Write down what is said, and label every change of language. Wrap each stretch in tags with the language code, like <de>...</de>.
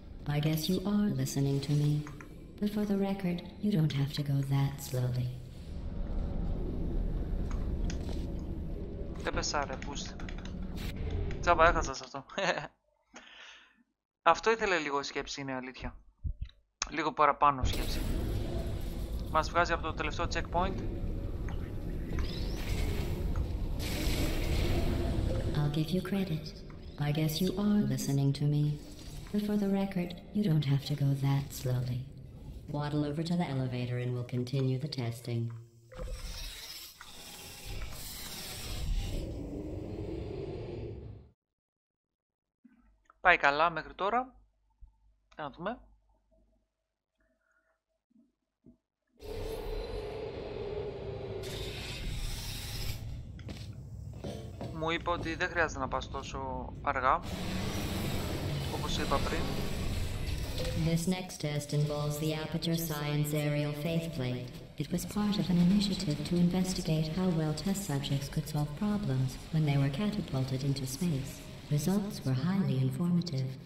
<en>I guess you are listening to me. But for the record, you don't have to go that slowly.</en> <el>Έπεσα ρε, boost. Τζάμπα, έχασα σε αυτό. Αυτό ήθελε λίγο σκέψη, είναι αλήθεια. Λίγο παραπάνω σκέψη. Μας βγάζει από το τελευταίο checkpoint.</el> <en>I'll give you credit. I guess you are listening to me. But for the record, you don't have to go that slowly. Waddle over to the elevator and we'll continue the testing.</en> <el>Πάει καλά μέχρι τώρα. Να δούμε. Μου είπε ότι δεν χρειάζεται να πας τόσο αργά, όπως είπα πριν.</el> <en>This next test involves the Aperture Science Aerial Faithplate. It was part of an initiative to investigate how well test subjects could solve problems when they were catapulted into space. Results were highly informative.</en>